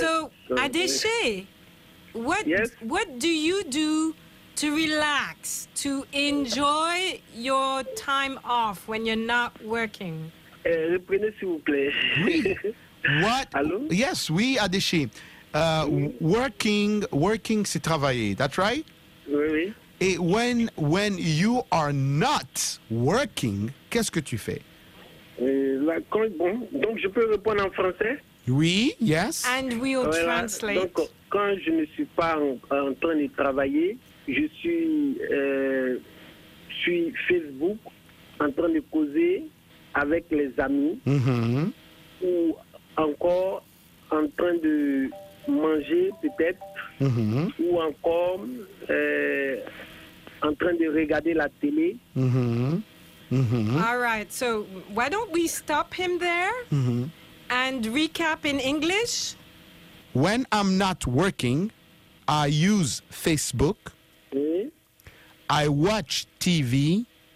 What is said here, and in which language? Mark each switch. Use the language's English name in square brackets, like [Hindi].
[English] So, Adéché, what do you do to relax, to enjoy your time off when you're not working? [French] Reprenez, s'il vous plaît. [English] What? Hello? Yes, oui, Adéché. [French] Working, c'est travailler. [English] That's right. [French] Oui. [English] Et when you are not working, [French] qu'est-ce que tu fais? Donc je peux répondre en français. Oui. [English] Yes. And we'll translate. [French] Donc quand je ne suis pas en train de travailler, je suis Facebook en train de causer avec les amis ou encore en train de manger peut-être ou encore en train de regarder la télé. [English] All right, so why don't we stop him there and recap in English? When I'm not working, I use Facebook. I watch TV.